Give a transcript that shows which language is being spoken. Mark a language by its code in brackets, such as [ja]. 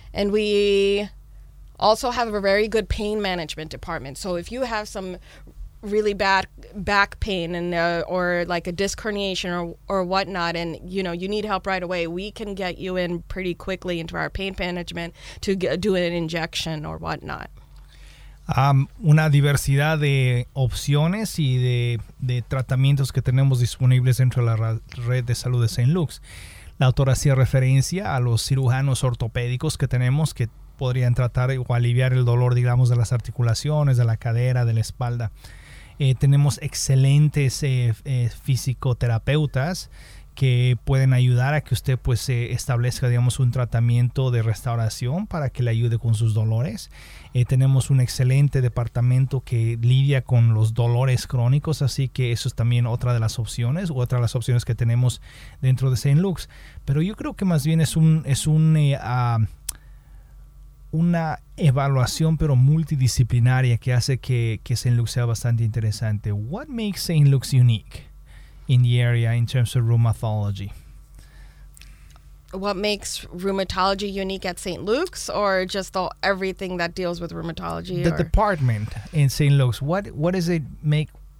[en] And we also have a very good pain management department. So if you have some really bad back pain or like a disc herniation or whatnot, and you know, you need help right away, we can get you in pretty quickly into our pain management to do an injection or whatnot. [es] Una diversidad de opciones y de tratamientos que tenemos disponibles dentro de la red de salud de St. Luke's. La autora hacía referencia a los cirujanos ortopédicos que tenemos que podrían tratar o aliviar el dolor, digamos, de las articulaciones, de la cadera, de la espalda. Tenemos excelentes fisioterapeutas que pueden ayudar a que usted pues establezca, digamos, un tratamiento de restauración para que le ayude con sus dolores. Tenemos un excelente departamento que lidia con los dolores crónicos, así que eso es también otra de las opciones, otra de las opciones que tenemos dentro de St. Luke's. Pero yo creo que más bien es una evaluación pero multidisciplinaria que hace que St. Luke's sea bastante interesante. [en] What makes St. Luke's unique in the area in terms of rheumatology? What makes rheumatology unique at St. Luke's, or just everything that deals with rheumatology? The or? Department in St. Luke's. What does it make?